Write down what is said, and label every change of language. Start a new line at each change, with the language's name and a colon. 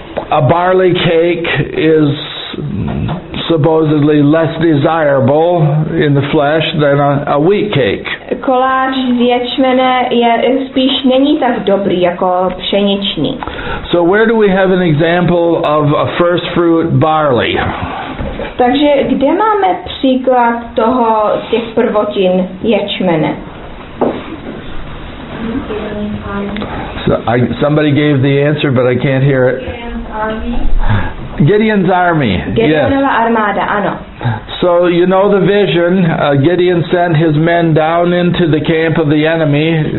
English: A barley cake is supposedly less desirable in the flesh than a wheat cake.
Czech: Koláč z ječmene je spíš není tak dobrý jako pšeniční.
English: So where do we have an example of a first fruit barley?
Czech: Takže kde máme příklad toho těch prvotin ječmene?
English: Somebody gave the answer, but I can't hear it. Gideon's army.
Czech: Gideonova armáda, ano.
English: So you know the vision. Gideon sent his men down into the camp of the enemy.